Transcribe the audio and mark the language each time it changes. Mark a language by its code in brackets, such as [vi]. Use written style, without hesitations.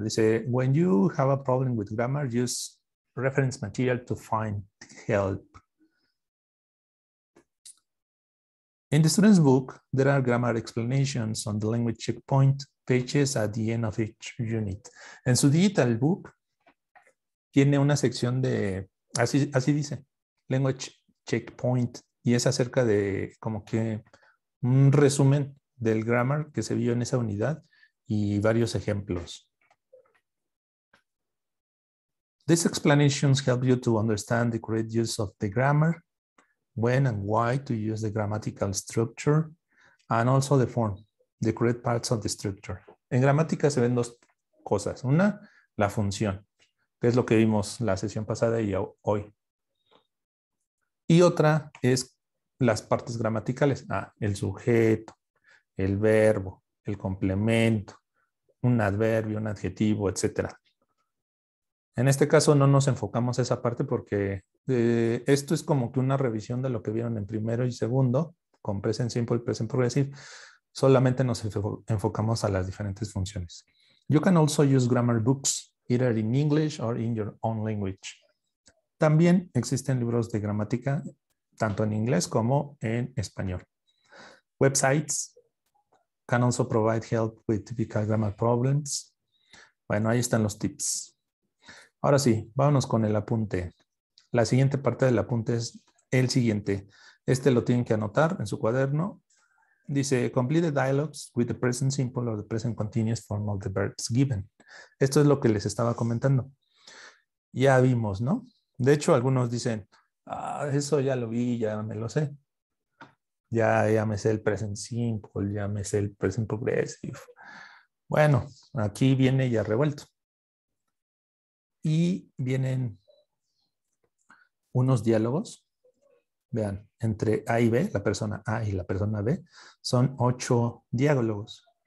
[es] Dice, [en] when you have a problem with grammar, use reference material to find help. In the student's book, there are grammar explanations on the language checkpoint pages at the end of each unit. [es] En su [en] digital book, [es] tiene una sección de, así dice, language checkpoint, y es acerca de como que un resumen del grammar que se vio en esa unidad y varios ejemplos. [en] These explanations help you to understand the correct use of the grammar, when and why to use the grammatical structure, and also the form, the correct parts of the structure. [es] En gramática se ven dos cosas. Una, la función, que es lo que vimos la sesión pasada y hoy. Y otra es las partes gramaticales. El sujeto, el verbo, el complemento, un adverbio, un adjetivo, etc. En este caso no nos enfocamos a esa parte porque esto es como que una revisión de lo que vieron en primero y segundo, con present simple y present progressive. Solamente nos enfocamos a las diferentes funciones. [en] You can also use grammar books, either in English or in your own language. [es] También existen libros de gramática, tanto en inglés como en español. [en] Websites can also provide help with typical grammar problems. [es] Bueno, ahí están los tips. Ahora sí, vámonos con el apunte. La siguiente parte del apunte es el siguiente. Este lo tienen que anotar en su cuaderno. Dice, [en] complete the dialogues with the present simple or the present continuous form of the verbs given. [es] Esto es lo que les estaba comentando. Ya vimos, ¿no? De hecho, algunos dicen, eso ya lo vi, ya me lo sé. Ya llámese el present simple, llámese el present progressive. Bueno, aquí viene ya revuelto. Y vienen unos diálogos, vean, entre A y B, la persona A y la persona B, son 8 diálogos.